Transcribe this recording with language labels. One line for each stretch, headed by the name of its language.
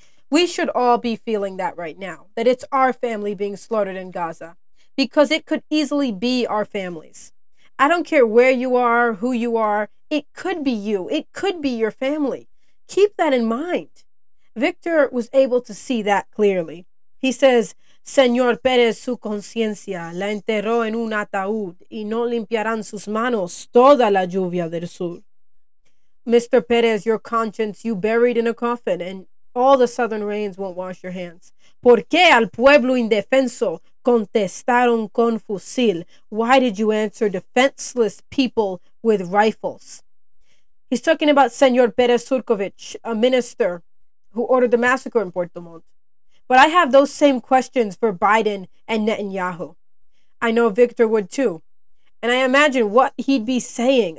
English: We should all be feeling that right now, that it's our family being slaughtered in Gaza, because it could easily be our families. I don't care where you are, who you are, it could be you, it could be your family. Keep that in mind. Victor was able to see that clearly. He says,
Spanish: Señor Pérez, su conciencia la enterró en un ataúd y no limpiarán sus manos toda la lluvia del sur.
English: Mr. Pérez, your conscience, you buried in a coffin and all the southern rains won't wash your hands.
Spanish: ¿Por qué al pueblo indefenso contestaron con fusil?
English: Why did you answer defenseless people with rifles? He's talking about Señor Pérez Surkovich, a minister who ordered the massacre in Puerto Montt. But I have those same questions for Biden and Netanyahu. I know Victor would too. And I imagine what he'd be saying.